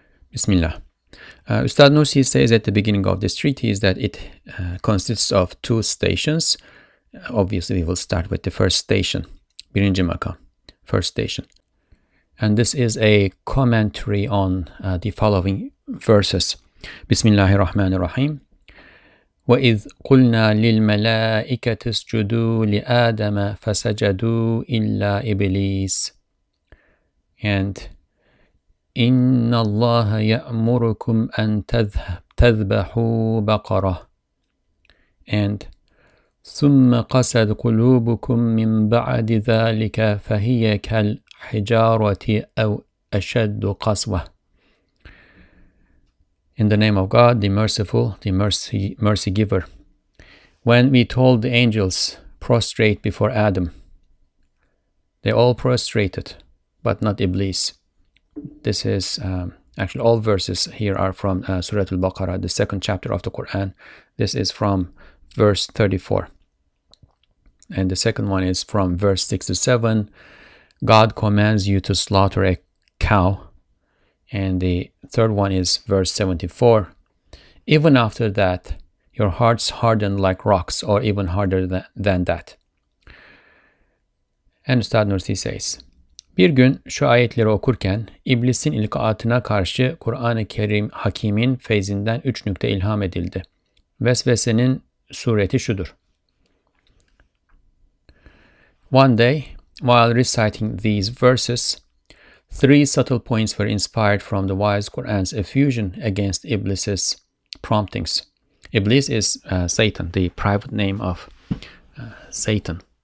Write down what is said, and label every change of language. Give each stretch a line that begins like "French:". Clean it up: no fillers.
English: Bismillah. Ustad Nursi says at the beginning of this treatise that it consists of two stations. Obviously, we will start with the first station, Birinci Makam, first station. And this is a commentary on the following verses.
Arabic: Bismillahirrahmanirrahim. وَإِذْ قُلْنَا لِلْمَلَائِكَةِ اسْجُدُوا لِآدَمَ فَسَجَدُوا إِلَّا إِبْلِيسَ And إِنَّ اللَّهَ يَأْمُرُكُمْ أَن تَذْبَحُوا بَقَرَةً And ثُمَّ قَسَدْ قُلُوبُكُمْ مِنْ بَعَدِ ذَلِكَ فَهِيَ كَالْحِجَارَةِ أَوْ أَشَدُّ قَسْوَةً
English: In the name of God, the Merciful, the Mercy Giver. When we told the angels, prostrate before Adam, they all prostrated, but not Iblis. This is actually all verses here are from Surah Al-Baqarah, the second chapter of the Quran. This is from verse 34. And the second one is from verse 67. God commands you to slaughter a cow. And the third one is verse 74. Even after that, your hearts harden like rocks, or even harder than that. And Ustad Nursi says,
Turkish: Bir gün şu ayetleri okurken iblisin ilkaatına karşı Kur'an-ı Kerim Hakim'in feyzinden 3 nükte ilham edildi. Vesvesenin sureti şudur.
English: One day, while reciting these verses, three subtle points were inspired from the wise Quran's effusion against Iblis's promptings. Iblis is Satan, the private name of Satan.